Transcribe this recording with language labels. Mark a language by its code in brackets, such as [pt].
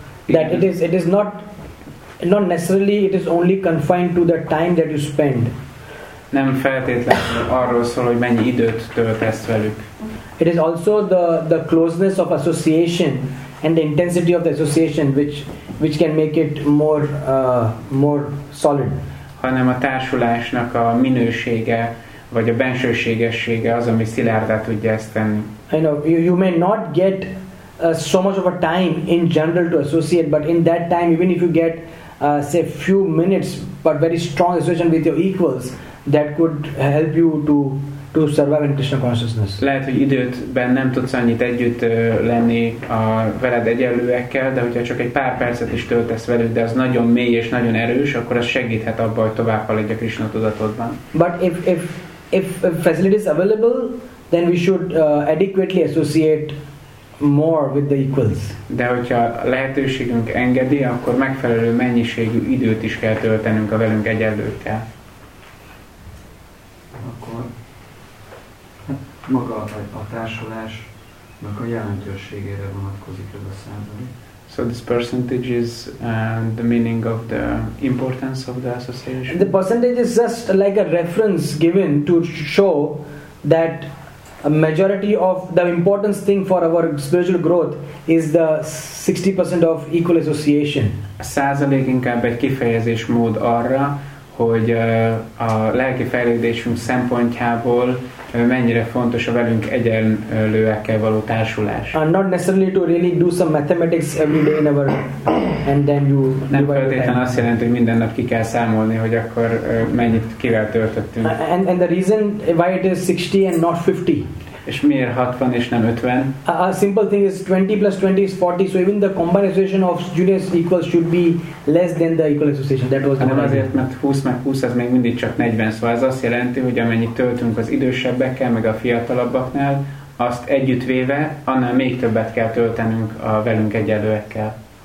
[en] That it is not necessarily it is only confined to the time that you spend. [hu] Nem feltétlenül arról szól, hogy mennyi időt töltesz velük. [en] It is also the closeness of association and the intensity of the association which can make it more solid. [hu] Hanem a társulásnak a minősége vagy a bensőségessége az, ami szilárdát tudja ezt tenni. [en] I know you may not get so much of a time in general to associate, but in that time, even if you get say few minutes but very strong association with your equals, that could help you to survive in Krishna consciousness. [hu] Lehet, hogy időtben nem tudsz annyit együtt lenni a veled egyenlőekkel, de hogyha csak egy pár percet is töltesz velük, de az nagyon mély és nagyon erős, akkor az segíthet abban, hogy tovább haladj a Krishna tudatodban. [en] But if facilities available, then we should adequately associate more with the equals. [hu] De hogyha lehetőségünk engedi, akkor megfelelő mennyiségű időt is kell töltenünk a velünk egyenlőkkel. Maga a társulás nak a jelentőségére vonatkozik ez a százalék. [en] So this percentage is the meaning of the importance of the association. And the percentage is just like a reference given to show that a majority of the importance thing for our spiritual growth is the 60% of equal association. [hu] A százalék inkább egy kifejezés mód arra, hogy a lelki fejlődésünk szempontjából mennyire fontos a velünk egyenlőekkel való társulás. [en] Not necessarily to really do some mathematics every day in our and then you [hu] nem feltétlenül azt jelenti, hogy minden nap ki kell számolni, hogy akkor mennyit kivel töltöttünk. [en] And the reason why it is 60 and not 50. [hu] És miért 60 és nem 50? [en] A simple thing is 20 plus 20 is 40, so even the combined association of juniors equals should be less than the equal association. That was the reason. [hu] Azért, mert 20 meg 20 az még mindig csak 40, szóval ez azt jelenti, hogy amennyit töltünk az idősebbekkel, meg a fiatalabbaknál, azt együttvéve, annál még többet kell töltenünk a velünk egyenlőekkel.